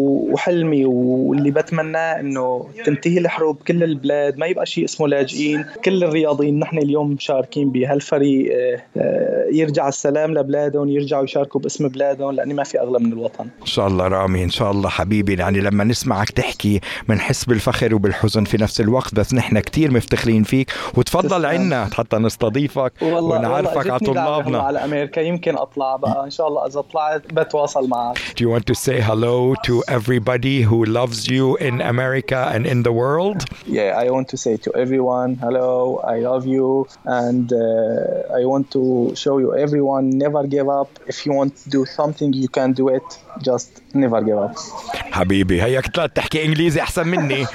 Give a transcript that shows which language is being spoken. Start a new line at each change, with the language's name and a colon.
Arabic: وحلمي واللي بتمنى أنه تنتهي الحروب كل البلاد، ما يبقى شيء اسمه لاجئين، كل الرياضيين نحن اليوم مشاركين بهالفريق يرجع السلام لبلادهم، يرجعوا يشاركوا باسم بلادهم، لأني ما في أغلى من الوطن. إن شاء الله رامي، إن شاء الله حبيبي. يعني لما نسمعك تحكي منحس بالفخر وبالحزن في نفس الوقت، بس نحن كتير مفتخرين فيك. وتفضل عنا حتى نستضيفك ونعرفك على طلابنا على أمريكا. يمكن أطلع بقى إن شاء الله، إذا طلعت بتواصل معك.
English: Do you want to say hello to everybody who loves you in America and in the world? Yeah, I want to say to everyone hello, I love you, and I want to show you everyone never give up. If you want to do something you can do it, just never give up.
Arabic: حبيبي هيك تحكي انجليزي احسن مني.